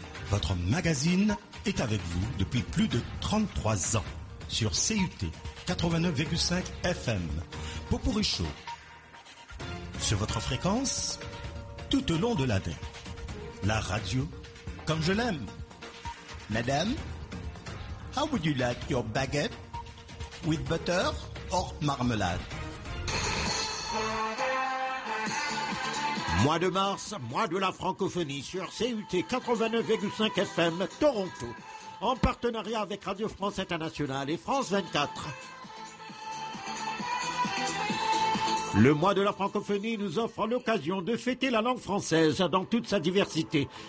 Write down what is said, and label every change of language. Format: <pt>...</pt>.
<fr>Votre magazine est avec vous depuis plus de 33 ans. Sur CUT 89,5 FM, Popourri Show, sur votre fréquence, tout au long de l'année, la radio, comme je l'aime.</fr> <en>Madame, how would you like your baguette with butter? Horte Marmelade.</en> <fr>Mois de mars, mois de la francophonie sur CUT 89,5 FM Toronto, en partenariat avec Radio France Internationale et France 24. Le mois de la francophonie nous offre l'occasion de fêter la langue française dans toute sa diversité.</fr>